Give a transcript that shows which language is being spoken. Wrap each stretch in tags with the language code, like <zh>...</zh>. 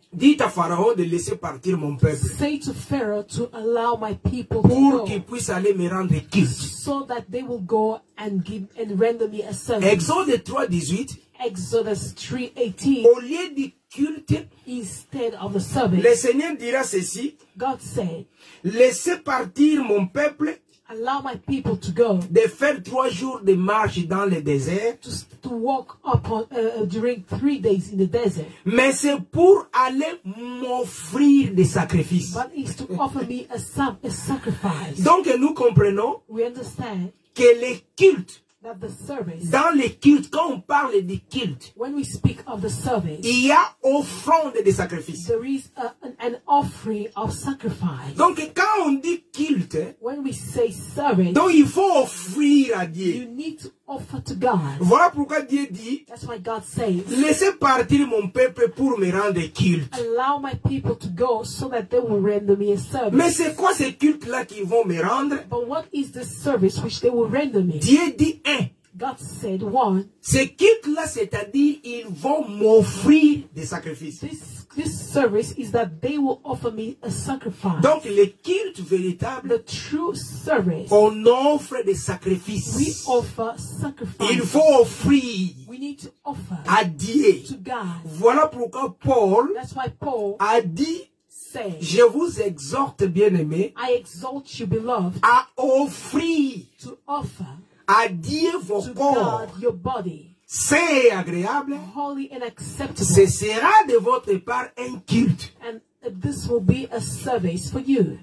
<fr>dites à Pharaon de laisser partir mon peuple.</fr> <en>Say to Pharaoh to allow my people to go.</en> <fr>Pour qu'ils puissent aller me rendre culte.</fr> <en>So that they will go and give and render me a service.</en> <fr>Exode 3, 18.</fr> <en>Exodus 3, 18.</en> <fr>Au lieu du culte,</fr> <en>instead of the service,</en> <fr>le Seigneur dira ceci.</fr> <en>God said,</en> <fr>laissez partir mon peuple.</fr> <en>Allow my people to go.</en> <fr>De faire 3 jours de marche dans le désert.</fr> <en>To walk upon during 3 days in the desert.</en> <fr>Mais c'est pour aller m'offrir des sacrifices.</fr> <en>But it's to offer me a sacrifice.</en> <fr>Donc nous comprenons.</fr> <en>We understand.</en> <fr>Que les cultes.</fr> <en>That the service.</en> <fr>Dans les cultes, quand on parle des cultes.</fr> <en>When we speak of the service.</en> <fr>Il y a offrande des sacrifices.</fr> <en>There is an offering of sacrifice.</en> <fr>Donc quand on dit culte.</fr> <en>When we say service.</en> <fr>Donc il faut offrir à Dieu.</fr> <en>You need to offer to God.</en> <fr>Voilà pourquoi Dieu dit.</fr> <en>That's why God says.</en> <fr>Laissez partir mon peuple pour me rendre culte.</fr> <en>Allow my people to go so that they will render me a service.</en> <fr>Mais c'est quoi ces cultes là qu'ils vont me rendre?</fr> <en>But what is the service which they will render me?</en> <fr>Dieu dit un.</fr> <en>God said one.</en> <fr>Ces cultes là, c'est-à-dire ils vont m'offrir des sacrifices.</fr> <en>This service is that they will offer me a sacrifice.</en> <fr>Donc le culte véritable,</fr> <en>the true service,</en> <fr>on offre des sacrifices.</fr> <en>We offer sacrifices.</en> <fr>Il faut offrir.</fr> <en>We need to offer</en> <fr>à Dieu.</fr> <en>To God.</en> <fr>Voilà pourquoi Paul,</fr> <en>that's why Paul</en> <fr>a dit,</fr> <en>said,</en> <fr>je vous exhorte bien-aimé,</fr> <en>I exhort you beloved,</en> <fr>à offrir,</fr> <en>to offer</en> <fr>à Dieu vos corps,</fr> <en>your body.</en> <fr>C'est agréable.</fr> <en>Holy and acceptable.</en> <fr>Ce sera de votre part un culte.</fr> <en>And this will be a service for you.</en>